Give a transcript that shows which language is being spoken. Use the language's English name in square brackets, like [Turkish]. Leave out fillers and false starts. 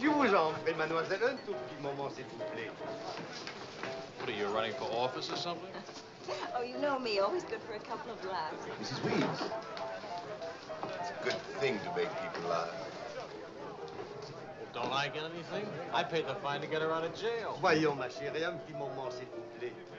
[French] Je vous en prie, mademoiselle, un tout petit moment, s'il vous plaît. [English] What are you, running for office or something? Oh, you know me, always good for a couple of laughs. Mrs. Weeds. It's a good thing to make people laugh. Don't I get anything? I paid the fine to get her out of jail. [French] Voyons, ma chérie, un petit moment, s'il vous plaît.